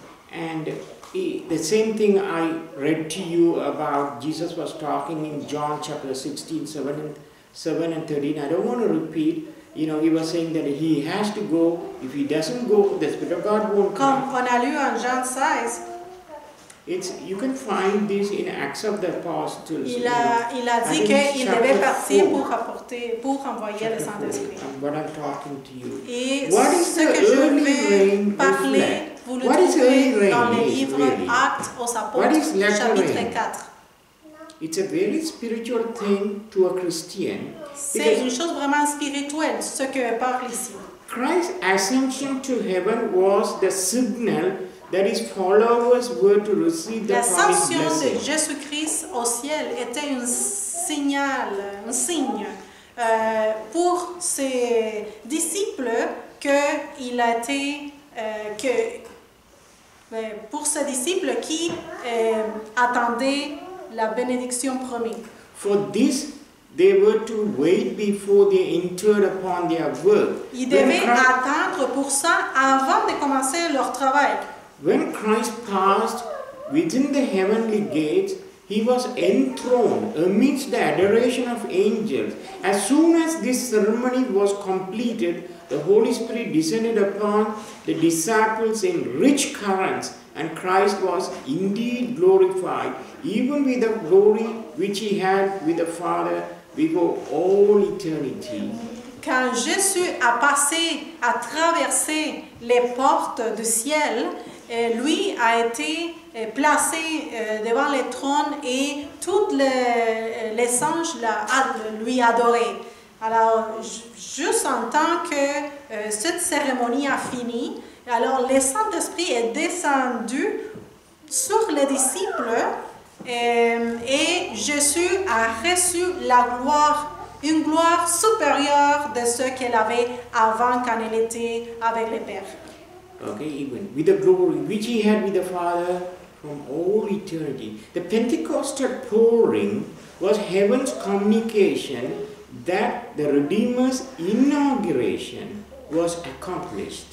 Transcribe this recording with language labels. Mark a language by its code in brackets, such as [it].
[en] And the same thing I read to you about Jesus was talking in John chapter 16, 7 and 13. I don't want to repeat. You know, he was saying that he has to go. If he doesn't go, the Spirit of God won't come. [fr] Comme on a lu en Jean 16. [en] It's you can find this in Acts of the Apostles. [fr] Il a dit qu'il devait partir pour envoyer le Saint-Esprit. [en] What I'm talking to you. [fr] Et [en] what is [fr] ce que je vais parler, vous le [en] what [fr] trouvez [en] is [fr] dans le livre [en] really? [fr] Actes aux Apôtres, chapitre 4. [en] It's a very spiritual thing to a Christian. [fr] C'est une chose vraiment spirituelle, ce que parle ici. [en] Christ's ascension to heaven was the signal that his followers were to receive the promised blessing. [fr] L'ascension de Jésus-Christ au ciel était un signal, un signe pour ses disciples qui attendaient la bénédiction promise. [en] For this, they were to wait before they entered upon their work. [fr] Ils devaient attendre pour ça avant de commencer leur travail. [en] When Christ passed within the heavenly gates, he was enthroned amidst the adoration of angels. As soon as this ceremony was completed, the Holy Spirit descended upon the disciples in rich currents, and Christ was indeed glorified, even with the glory which he had with the Father before all eternity. [fr] Quand Jésus a passé à traverser les portes du ciel, lui a été placé devant le trône et tous les anges lui adoré. Alors, juste en tant que cette cérémonie a fini, alors le Saint-Esprit est descendu sur les disciples et Jésus a reçu la gloire, une gloire supérieure de ce qu'elle avait avant quand elle était avec le Père. [en] Okay, even with the glory which he had with the Father from all eternity. The Pentecostal pouring was heaven's communication that the Redeemer's inauguration was accomplished.